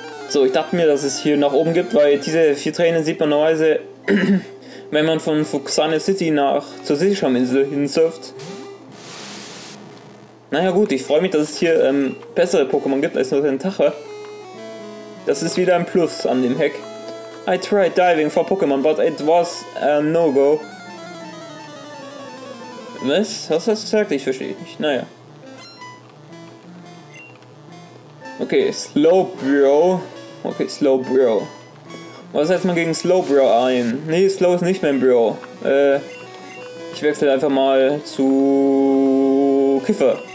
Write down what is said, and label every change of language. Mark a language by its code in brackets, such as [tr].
[de] So, ich dachte mir, dass es hier nach oben gibt, weil diese 4 Tränen sieht man normalerweise, wenn man von Fuxane City nach zur Seeschauminsel hinsurft. Naja gut, ich freue mich, dass es hier bessere Pokémon gibt als nur den Tacher. Das ist wieder ein Plus an dem Hack. [en] I tried diving for Pokémon, but it was a no-go. [de] Was? Was hast du gesagt? Ich verstehe nicht. Naja. Okay, Slowbro. Okay, Slowbro. Was setzt man gegen Slowbro ein? Nee, Slow ist nicht mein Bro. Ich wechsle einfach mal zu Kiffer.